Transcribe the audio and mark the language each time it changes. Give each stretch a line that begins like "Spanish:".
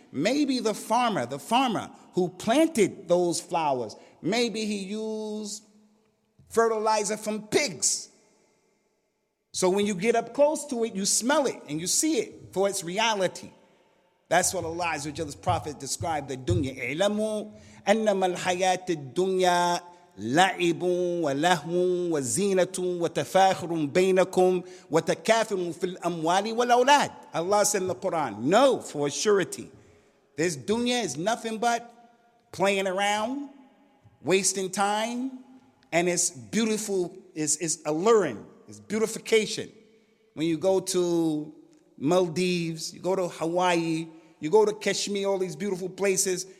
English: Maybe the farmer who planted those flowers, maybe he used fertilizer from pigs. So when you get up close to it, you smell it and you see it for its reality. That's what Allah's prophet described the dunya.
Arabic: اعلموا أنما الحياة الدنيا لعب ولهو وزينة وتفاخر بينكم وتكاثر في الأموال والأولاد.
English: Allah said in the Quran, know for surety, this dunya is nothing but playing around, wasting time, and it's beautiful, it's alluring, it's beautification. When you go to Maldives, you go to Hawaii, you go to Kashmir, all these beautiful places.